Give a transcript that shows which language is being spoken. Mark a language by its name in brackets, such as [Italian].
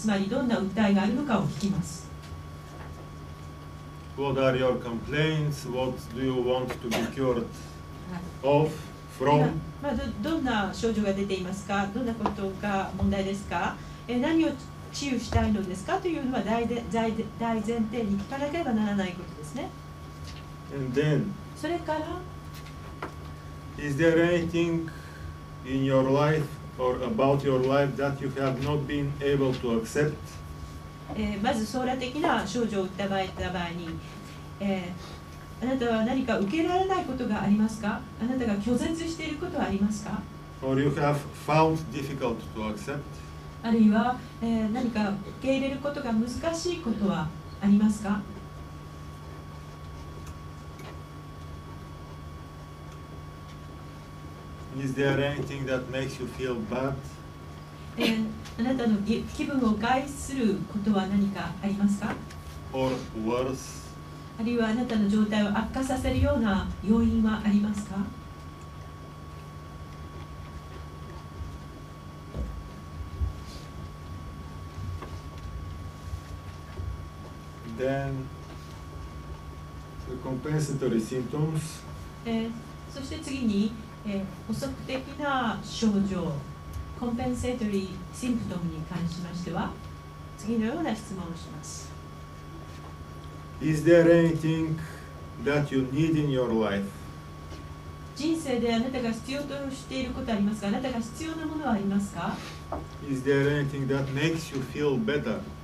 [Japanese] つまりどんな訴えがあるのかを聞きます。 [English] What are your complaints? What do you want to be cured of? From? [Japanese] どんな症状が出ていますか？どんなことが問題ですか？何を治癒したいのですか？というのは大前提に聞かなければならないことですね。 [English] And then, [Japanese] それから、 [English] Is there anything in your life or about your life that you have not been able to accept? [Japanese] まず、ソーラ的な症状を訴えた場合に、あなたは何か受けられないことがありますか？あなたが拒絶していることはありますか？ [English] Or you have found difficult to accept. [Japanese] あるいは、何か受け入れることが難しいことはありますか？ [English] Is there anything that makes you feel bad? [Japanese] あなたの気分を害することは何かありますか？ [English] Or worse. [Japanese] あるいはあなたの状態を悪化させるような要因はありますか？ [English] Then, the compensatory symptoms. [Japanese] そして次に、補足的な症状。コンペンセートリーシンプトムに関しましては次のような質問をします。 [English] Is there anything that you need in your life? [Japanese] 人生であなたが必要としていることありますか？あなたが必要なものはありますか？ [English] Is there anything that makes you feel better?